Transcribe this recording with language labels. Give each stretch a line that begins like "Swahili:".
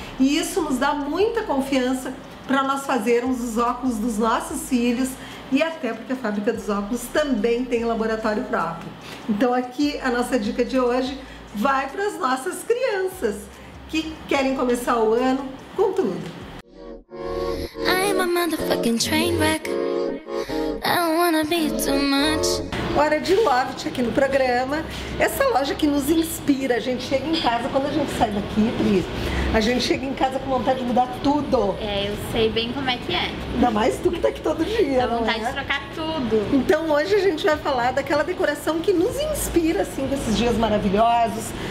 Portuguese: E isso nos dá muita confiança para nós fazermos os óculos dos nossos filhos e até porque a fábrica dos óculos também tem laboratório próprio. Então aqui a nossa dica de hoje vai para as nossas crianças que querem começar o ano com tudo.
English: I'm a motherfucking train wreck. I don't wanna be too much.
Portuguese: Hora de Loft aqui no programa. Essa loja que nos inspira. A gente chega em casa, quando a gente sai daqui, Pri, a gente chega em casa com vontade de mudar tudo. É, eu sei bem como é que é. Ainda mais tu que tá aqui todo dia, né? Dá vontade de trocar tudo. Então hoje a gente vai falar daquela decoração que nos inspira, assim, desses dias maravilhosos.